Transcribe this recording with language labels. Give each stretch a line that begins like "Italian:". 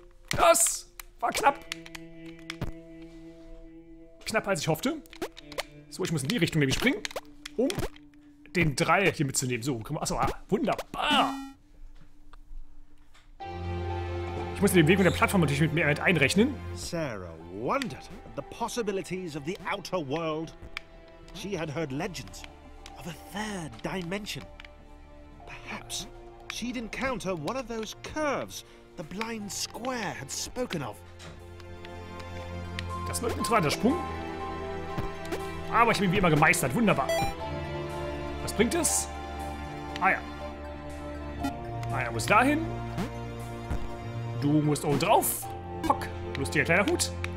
German: Das war knapp. Knapper als ich hoffte. So, ich muss in die Richtung nämlich springen, um den Dreier hier mitzunehmen. So, achso, ah, wunderbar. Ich muss den Weg mit der Plattform natürlich mit mehr mit einrechnen.
English: Sarah wondered at the possibilities of the outer world. She had heard legends of a third dimension. Perhaps she'd encounter one of those curves the blind square had spoken of.
German: Das wird ein zweiter Sprung. Aber ich habe ihn wie immer gemeistert. Wunderbar. Was bringt es? Ah ja. Ah ja, muss dahin. Du musst oben drauf. Pock. Lustiger kleiner Hut.